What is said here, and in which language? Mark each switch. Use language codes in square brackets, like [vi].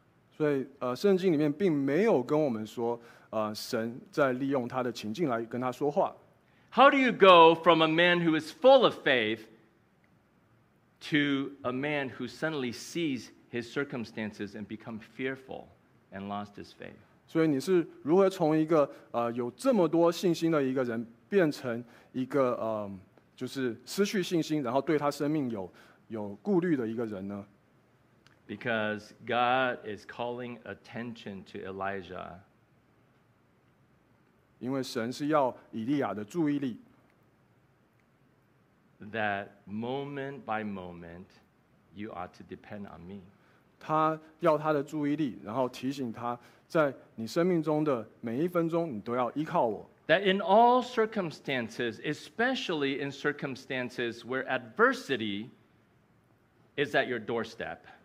[zh] 所以圣经里面并没有跟我们说神在利用他的情境来跟他说话。 [en] How do you go from a man who is full of faith to a man who suddenly sees his circumstances and become fearful and lost his faith? [zh] 所以你是如何从一个有这么多信心的一个人变成一个就是失去信心，然后对他生命有顾虑的一个人呢？ [en] Because God is calling attention to Elijah. [zh] 因为神是要以利亚的注意力。 [en] That moment by moment, you ought to depend on me. [zh] 他要他的注意力，然后提醒他，在你生命中的每一分钟，你都要依靠我。 [en] That in all circumstances, especially in circumstances where adversity is at your doorstep.